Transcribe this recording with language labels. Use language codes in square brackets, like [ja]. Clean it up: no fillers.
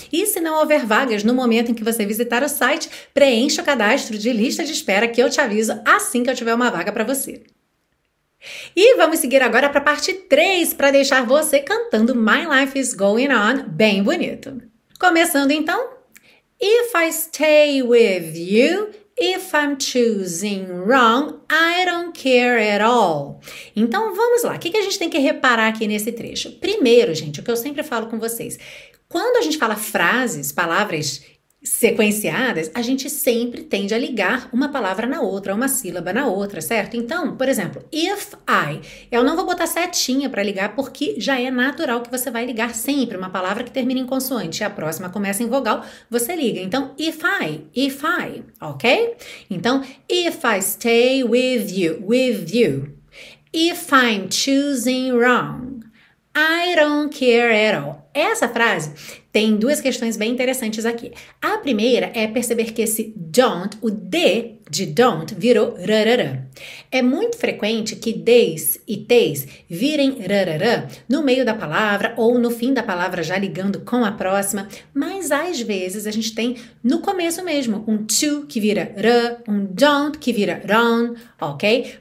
[pt] E se não houver vagas no momento em que você visitar o site, preencha o cadastro de lista de espera que eu te aviso assim que eu tiver uma vaga para você. E vamos seguir agora para a parte 3 para deixar você cantando My Life is Going On bem bonito. Começando então. [en] If I stay with you, if I'm choosing wrong, I don't care at all. [pt] Então vamos lá. O que a gente tem que reparar aqui nesse trecho? Primeiro, gente, o que eu sempre falo com vocês. Quando a gente fala frases, palavras sequenciadas, a gente sempre tende a ligar uma palavra na outra, uma sílaba na outra, certo? Então, por exemplo, [en] if I, [pt] eu não vou botar setinha para ligar porque já é natural que você vai ligar sempre uma palavra que termina em consoante e a próxima começa em vogal, você liga. Então, [en] if I, [pt] ok? [en] Então, if I stay with you, if I'm choosing wrong, I don't care at all. [pt] Essa frase tem duas questões bem interessantes aqui. A primeira é perceber que esse don't, o D de don't, virou rarara. É muito frequente que des e tês virem rarara no meio da palavra ou no fim da palavra já ligando com a próxima, mas às vezes a gente tem no começo mesmo um to que vira r, um don't que vira don, ok?